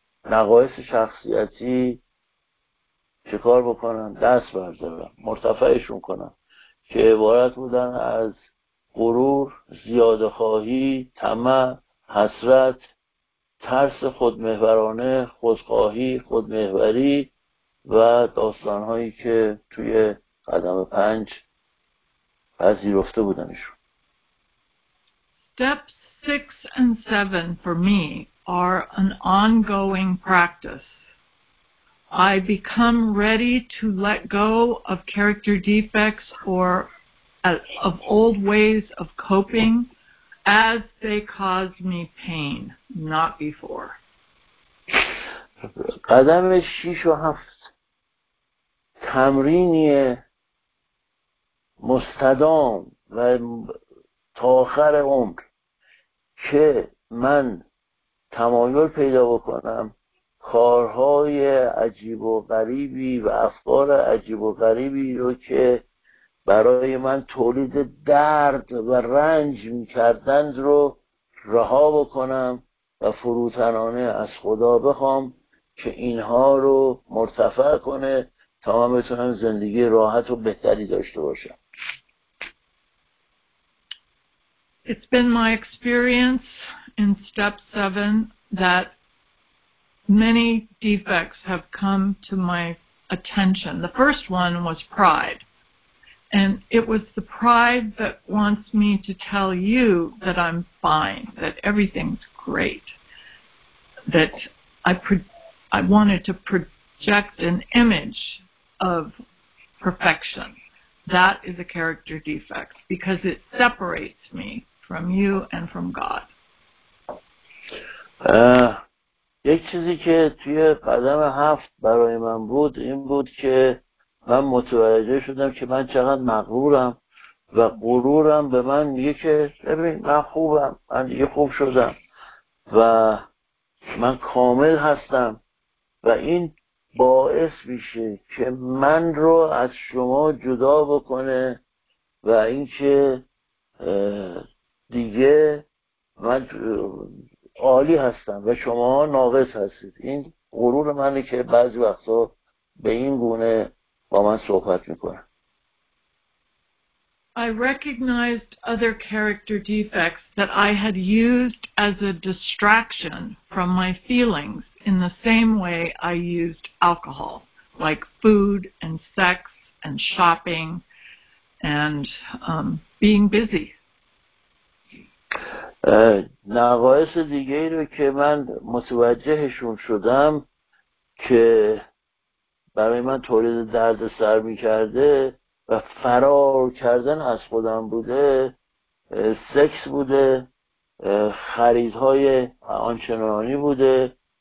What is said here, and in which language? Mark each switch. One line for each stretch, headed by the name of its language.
Persian: نقایص شخصیتی چه کار بکنم، دست بردارم، مرتفعشون کنم، که عبارت بودن از غرور، زیادخواهی، طمع، حسرت، ترس خودمحورانه، خودخواهی، خودمحوری و داستانهایی که توی قدم پنج پذیرفته بودنشون.
English: Step 6 and 7 for me are an ongoing practice. I become ready to let go of character defects or of old ways of coping as they cause me pain, not before.
Persian: قدم 6 و 7 تمرینی مستدام و تا آخر عمر که من تمایل پیدا بکنم کارهای عجیب و غریبی و افکار عجیب و غریبی رو که برای من تولید درد و رنج می‌کردند رو رها بکنم و فروتنانه از خدا بخوام که اینها رو مرتفع کنه تا من بتونم زندگی راحت و بهتری داشته باشم.
English: It's been my experience in step 7 that many defects have come to my attention. The first one was pride. And it was the pride that wants me to tell you that I'm fine, that everything's great, that I wanted to project an image of perfection. That is a character defect because it separates me from you and from God.
Persian: یک چیزی که توی قدم 7 برای من بود این بود که من متوجه شدم که من چقدر مغرورم و غرورم به من میگه که ببین من خوبم، من دیگه خوب شدم و من کامل هستم و این باعث میشه که من رو از شما جدا بکنه و اینکه دیگه من عالی هستم و شما ناقص هستید. این غرور منه که بعضی وقتا به این گونه با من صحبت میکنه.
English: I recognized other character defects that I had used as a distraction from my feelings in the same way I used alcohol, like food and sex and shopping and being busy.
Persian: نقایص دیگه رو که من متوجهشون شدم که برای من تولید درد سر می کرده و فرار کردن از خودم بوده، سکس بوده، خریدهای آنچنانی بوده،